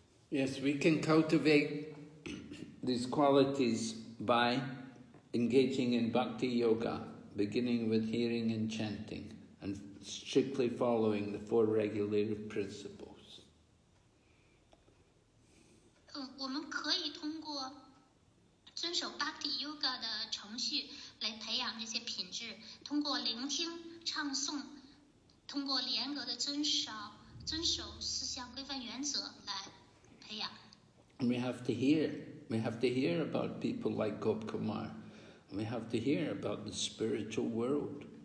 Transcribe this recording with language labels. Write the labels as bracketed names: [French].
[English] Yes, we can cultivate these qualities by engaging in bhakti yoga, beginning with hearing and chanting, and strictly following the four regulative principles. [Chinese] 我们可以通过遵守 bhakti yoga的程序来培养这些品质，通过聆听、唱诵，通过严格的遵守思想规范原则来培养。 [English] We have to hear about people like Gopakumar. We have to hear about the spiritual world.